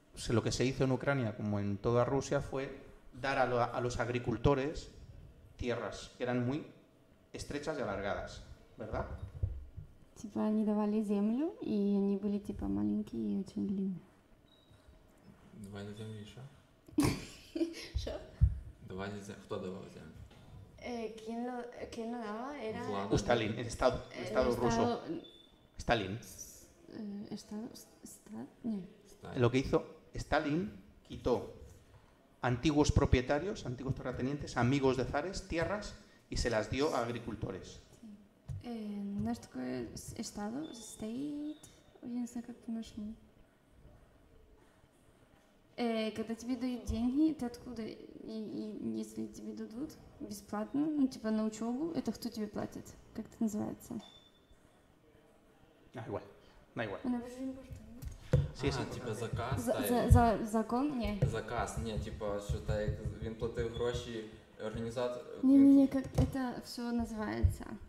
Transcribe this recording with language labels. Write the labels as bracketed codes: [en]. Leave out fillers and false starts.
[es] Lo que se hizo en Ucrania, como en toda Rusia, fue dar a los agricultores tierras que eran muy estrechas y alargadas, ¿verdad? Tipo, [ru] они давали землю, y они были типа маленькие y очень длинные. Давали землю еще? Что? Давали землю. Кто давал землю? [es] ¿Quién lo daba? Era Stalin, el Estado ruso. Stalin. Stalin. Lo que hizo Stalin, quitó antiguos propietarios, antiguos terratenientes, amigos de zares, tierras, y se las dio a agricultores. Nuestro Estado, State, hoy en día, ¿cómo nos llamamos? [ru] Когда тебе дают деньги, ты откуда? И если тебе дадут бесплатно, ну, типа на учебу, это кто тебе платит? Как это называется? Да, igual. Да, igual. Она же импортная. Sí, sí, типа заказ. Закон? Нет. Заказ? Нет, типа, считай, [uk] він платив гроші організатору. [ru] Не, как это все называется?